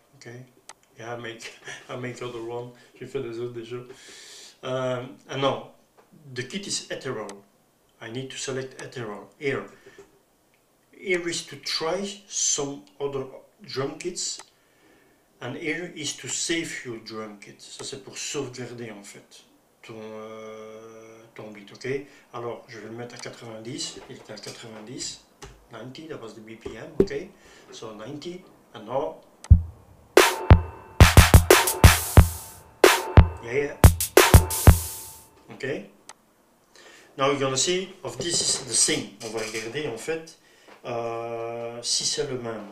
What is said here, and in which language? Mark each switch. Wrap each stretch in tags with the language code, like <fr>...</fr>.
<en>Okay. Yeah, I make other one.</en> <fr>J'ai fait des autres déjà.</fr> <en>And now the kit is hetero. I need to select hetero. Here is to try some other drum kits, and here is to save your drum kit.</en> <fr>Ça c'est pour sauvegarder en fait ton beat, ok? Alors je vais le mettre à 90, il est à 90, 90,</fr> <en>that was the BPM,</en> <fr>ok?</fr> <en>So 90, and now. Yeah, yeah. Ok? Now you're gonna see if this is the same.</en> <fr>On va regarder en fait si c'est le même.</fr>